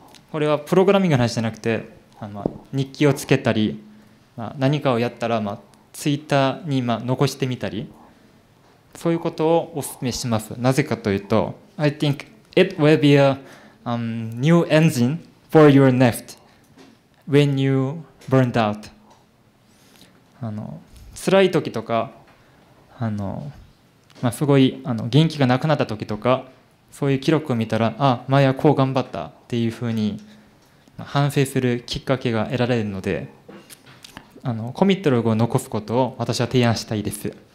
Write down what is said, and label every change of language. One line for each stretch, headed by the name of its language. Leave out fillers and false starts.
Japanese: これはプログラミングの話じゃなくて、日記をつけたり、何かをやったら、ツイッターに残してみたり、そういうことをお勧めします。なぜかというと、
English: I think it will be a new engine for your nest when you burned out.
Japanese: 辛い時とか、すごい元気がなくなった時とか、そういう記録を見たら、あ、前はこう頑張ったっていうふうに反省するきっかけが得られるので、コミットログを残すことを私は提案したいです。